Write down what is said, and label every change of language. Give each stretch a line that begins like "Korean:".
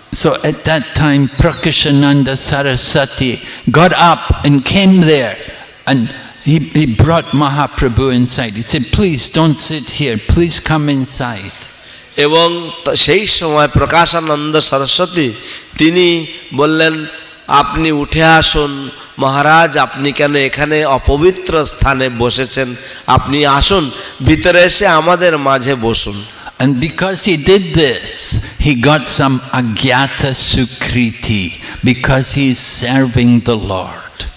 English: So at that time Prakashananda Sarasati got up and came there and he brought Mahaprabhu inside. He said, please don't sit here, please come inside.
Bangla: এবং সেই সময় প্রকাশানন্দ সরস্বতী তিনি বললেন আপনি উঠে আসুন মহারাজ আপনি কেন এখানে অপবিত্র স্থানে বসেছেন আপনি আসুন ভিতরে এসে আমাদের মাঝে বসুন
English: And because he did this, he got some agyata sukriti because he is serving the Lord.